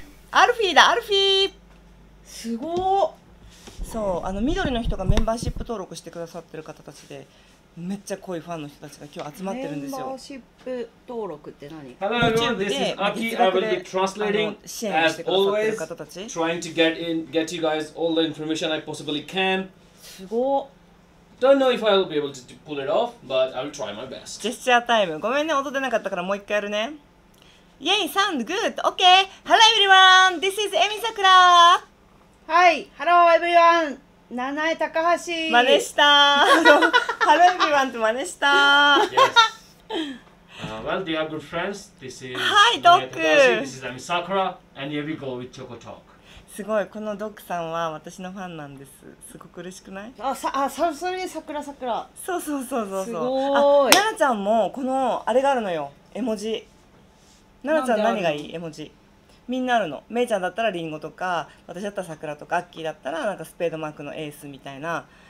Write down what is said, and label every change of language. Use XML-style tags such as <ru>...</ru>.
<ja>アルフィーだ、アルフィー、すごー。そう、あの緑の人がメンバーシップ登録してくださってる方たちで、めっちゃ濃いファンの人たちが今日集まってるんですよ。メンバーシップ登録って何？</ja> <en>Hello everyone, this is Aki. I will be translating as always, trying to get you guys all the information I possibly can.</en> <ja>すごー。</ja> <en>Don't know if I will be able to pull it off, but I will try my best.</en> <ja>ジェスチャータイム。ごめんね、音出なかったからもう一回やるね。</ja> <en>Yay, sound good. Okay. Hello everyone, this is Emi Sakura.</en> <ja>はい、</ja> <en>ハローエブリワン、</en> <ja>七重高橋。真似した</ja> <en>ハローエブリワン</en> <ja>って真似した。</ja> <en>Yes. Well, dear good friends, this is</en> <ja>はい、ドック。</ja> <en>This is Emi Sakura, and here we go with Choco Talk.</en> <ja>すごい、このドックさんは私のファンなんです。すごく嬉しくない？さくら。そうそうそうそう。すごい。奈々ちゃんもこのあれがあるのよ、絵文字。奈々ちゃん何がいい？絵文字。みんなあるの。めいちゃんだったらリンゴとか、私だったら桜とか、アッキーだったらなんかスペードマークのエースみたいな。</ja>